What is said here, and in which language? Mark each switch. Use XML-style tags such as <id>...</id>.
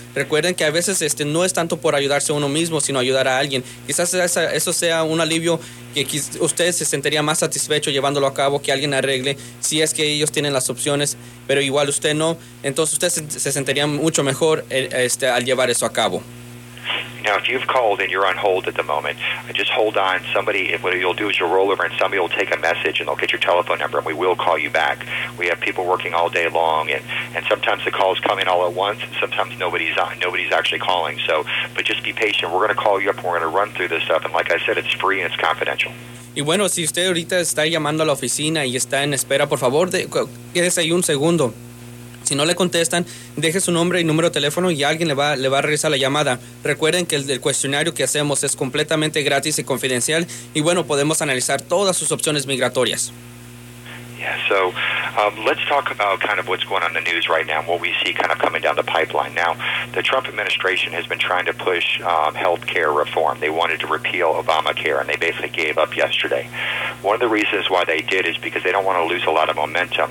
<es>Recuerden que a veces no es tanto por ayudarse a uno mismo, sino ayudar a alguien. Quizás eso sea un alivio que usted se sentiría más satisfecho llevándolo a cabo, que alguien arregle, si es que ellos tienen las opciones, pero igual usted no. Entonces, usted se sentiría mucho mejor al llevar eso a cabo.</es> <en>Now, if you've called and you're on hold at the moment, just hold on. Somebody, what you'll do is you'll roll over and somebody will take a message and they'll get your telephone number and we will call you back. We have people working all day long, and sometimes the calls come in all at once and sometimes nobody's actually calling. So, but just be patient. We're going to call you up and we're going to run through this stuff. And like I said, it's free and it's confidential.</en> <es>Y bueno, si usted ahorita está llamando a la oficina y está en espera, por favor, quédese ahí un segundo. Si no le contestan, deje su nombre y número de teléfono y alguien le va a regresar la llamada. Recuerden que el cuestionario que hacemos es completamente gratis y confidencial, y bueno, podemos analizar todas sus opciones migratorias.</es> <en>Yeah, so let's talk about kind of what's going on in the news right now and what we see kind of coming down the pipeline. Now, the Trump administration has been trying to push health care reform. They wanted to repeal Obamacare, and they basically gave up yesterday. One of the reasons why they did is because they don't want to lose a lot of momentum.</en>